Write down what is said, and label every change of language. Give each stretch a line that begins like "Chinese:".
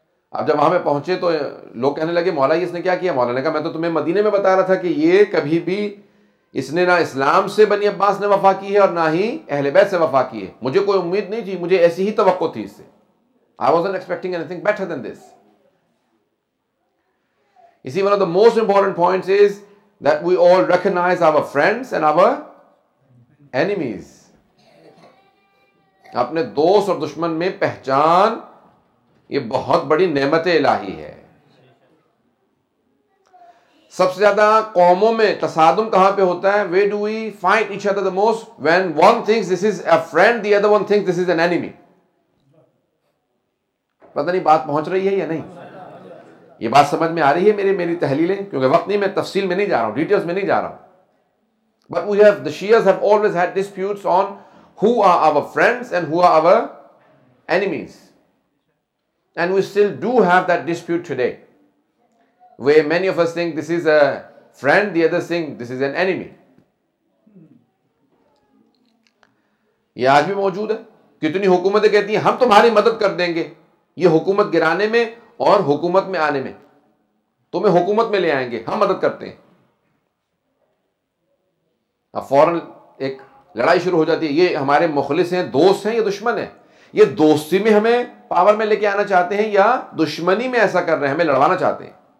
Urdu: اب جب وہاں پہ پہنچے تو لوگ کہنے لگے مولا اس نے کیا کیا, مولا نے کہا میں تو تمہیں مدینے میں بتا رہا تھا کہ یہ کبھی بھی اس نے نہ اسلام سے بنی عباس نے وفا کی ہے اور نہ ہی اہل بیت سے وفا کی ہے, مجھے کوئی امید نہیں تھی, مجھے ایسی ہی توقع تھی اس سے.
English: I wasn't expecting anything better than this. You see, one of the most important points is that we all recognize our friends and our enemies.
Urdu: اپنے دوست اور دشمن میں پہچان, یہ بہت بڑی نعمت الہی ہے. سب سے زیادہ قوموں میں تصادم کہاں پہ ہوتا ہے,
English: where do we find each other the most, when one thinks this is a friend, the other one thinks this is an enemy.
Urdu: پتہ نہیں بات پہنچ رہی ہے یا نہیں, یہ بات سمجھ میں آ رہی ہے میری تحلیلیں, کیونکہ وقت نہیں, میں تفصیل میں نہیں جا رہا ہوں, ڈیٹیلز میں نہیں جا رہا ہوں.
English: But we have, the Shias have always had disputes on who are our friends and who are our enemies. And we still do have that dispute today, where many of us think this is a friend, the others think this is an enemy.
Urdu: یہ آج بھی موجود ہے, کتنی حکومتیں کہتی ہیں ہم تمہاری مدد کر دیں گے, یہ حکومت گرانے میں اور حکومت میں آنے میں, تمہیں حکومت میں لے آئیں گے, ہم مدد کرتے ہیں. اب فوراً ایک لڑائی شروع ہو جاتی ہے, یہ ہمارے مخلص ہیں, دوست ہیں یا دشمن ہیں, یہ دوستی میں ہمیں پاور میں لے کے آنا چاہتے ہیں یا دشمنی میں ایسا کر رہے ہیں ہمیں لڑوانا چاہتے ہیں.